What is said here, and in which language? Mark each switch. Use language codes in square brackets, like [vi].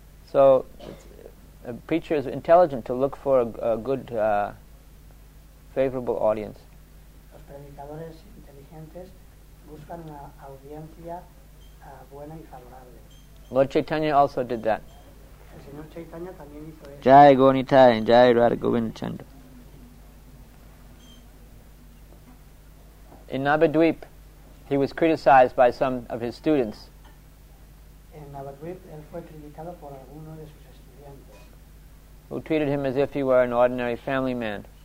[en] So, a preacher is intelligent to look for a good favorable audience. [es] Los predicadores inteligentes buscan una audiencia buena y favorable. [en] Lord Chaitanya also did that. [es] El señor Chaitanya también hizo eso. [sa] Jai Gonitai, Jai Radha Govinda Chanda. [en] In Navadvip, he was criticized by some of his students. [es] En Navadvip, él fue criticado por alguno de sus estudiantes. [en] who treated him as if he were an ordinary family man.